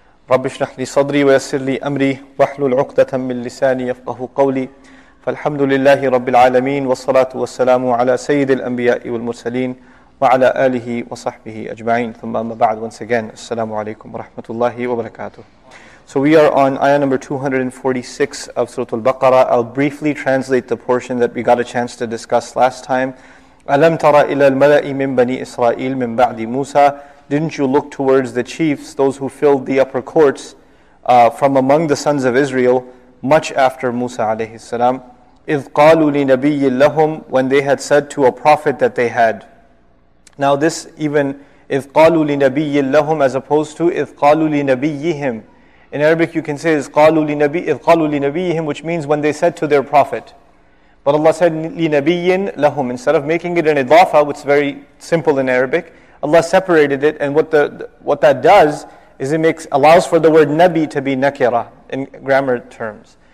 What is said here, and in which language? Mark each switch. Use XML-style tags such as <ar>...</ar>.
<ar>رب اشرح لي صدري ويسر لي امري واحلل عقدة من لساني يفقهوا قولي فالحمد لله رب العالمين والصلاة والسلام على سيد الانبياء والمرسلين وعلى اله وصحبه اجمعين ثم اما بعد</ar> <en>once again</en> <ar>السلام عليكم ورحمة الله وبركاته.</ar> <en>So we are on ayah number 246 of Surah Al-Baqarah. I'll briefly translate the portion that we got a chance to discuss last time.</en> <ar>أَلَمْ تَرَ إِلَى الْمَلَأِ مِنْ بَنِي إِسْرَائِيلَ مِنْ بَعْدِ مُوسَى.</ar> <en>Didn't you look towards the chiefs, those who filled the upper courts from among the sons of Israel, much after Musa alayhi salam?</en> <ar>إِذْ قَالُوا لِنَبِيٍّ لَهُمْ,</ar> <en>when they had said to a prophet that they had. Now this even,</en> <ar>إِذْ قَالُوا لِنَبِيٍّ لَهُمْ,</ar> <en>as opposed to</en> <ar>إِذْ قَالُوا لِنَبِيِّهِمْ.</ar> <en>In Arabic you can say</en> <ar>إِذْ قَالُوا لِنَبِيِّهِمْ,</ar> <en>which means when they said to their prophet. But Allah said</en> <ar>لِنَبِيٍّ لَهُمْ,</ar> <en>instead of making it an idafa, which is very simple in Arabic, Allah separated it, and what that does is it makes allows for the word nabi to be nakira in grammar terms.</en>